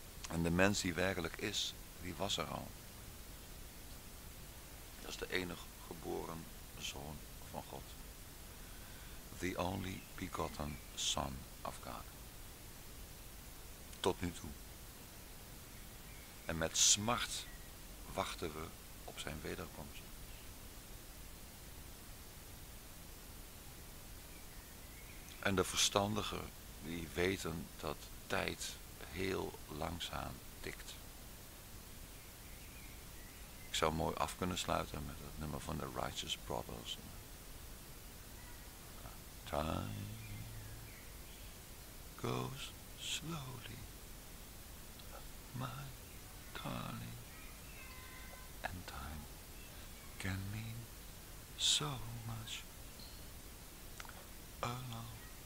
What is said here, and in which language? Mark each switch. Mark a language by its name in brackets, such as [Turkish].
[Dutch] En de mens die werkelijk is, die was er al. Dat is de enige geboren zoon van God. [English] The only begotten son of God. [Dutch] Tot nu toe. En met smart wachten we op zijn wederkomst. En de verstandigen die weten dat tijd heel langzaam tikt. Ik zou mooi af kunnen sluiten met het nummer van de Righteous Brothers. [English] Time goes slowly, my darling, and time can mean so much alone.